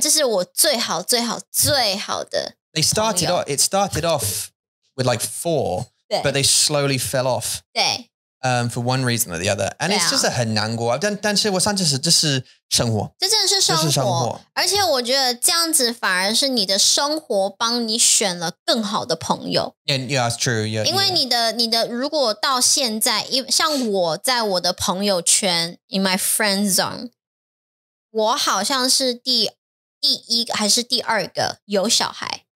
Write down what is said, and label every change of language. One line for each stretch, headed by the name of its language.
Chinese: 这是我最好,最好,最好的。
English: They started off, it started off with like four, but they slowly fell off for one reason or the other. And it's just a
Chinese: 很难过。但但是我上次是这是生活。这真的是生活。这是生活。而且我觉得这样子反而是你的生活帮你选了更好的朋友。
English: Yeah, yeah, that's true. Yeah,
Chinese: 因为你的如果到现在像我在我的朋友圈
English: in my friend zone,
Chinese: 我好像是第一还是第二个有小孩。